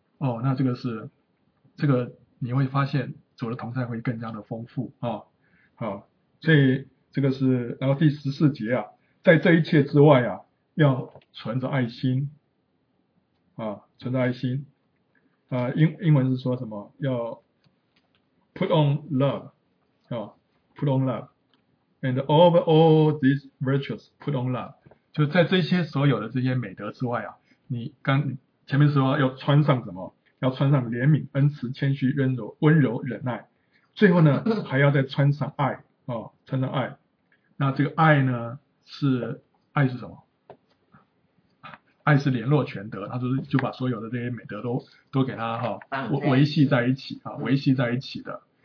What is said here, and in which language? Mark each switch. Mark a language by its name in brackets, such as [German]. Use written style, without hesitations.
[Chinese] 哦，那这个是，这个你会发现主的同在会更加的丰富啊。好，所以这个是，然后第十四节啊，在这一切之外啊，要存着爱心啊，存着爱心啊，英文是说什么？要 [English] put on love 啊 ，put on love。 And over all these virtues, put on love. [Chinese] 就在这些所有的这些美德之外啊，你刚前面说要穿上什么？要穿上怜悯、恩慈、谦虚、温柔、温柔、忍耐。最后呢，还要再穿上爱哦，穿上爱。那这个爱呢，是爱是什么？爱是联络全德，他就把所有的这些美德都给他哈、哦、维系在一起啊，维系在一起的。